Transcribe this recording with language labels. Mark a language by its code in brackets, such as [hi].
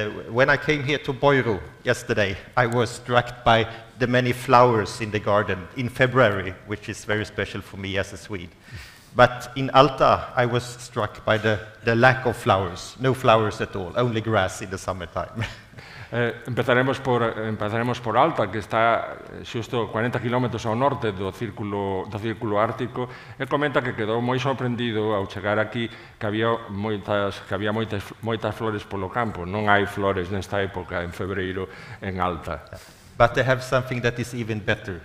[en] When I came here to Boiru yesterday, I was struck by the many flowers in the garden in February, which is very special for me as a Swede. But in Alta, I was struck by the lack of flowers. No flowers at all, only grass in the summertime. [gl] empezaremos por Alta, que está xusto 40 km ao norte do círculo ártico, e comenta que quedou moi sorprendido ao chegar aquí que había moitas flores polo campo. Non hai flores nesta época en febreiro en Alta. Yeah. [en] But they have something that is even better.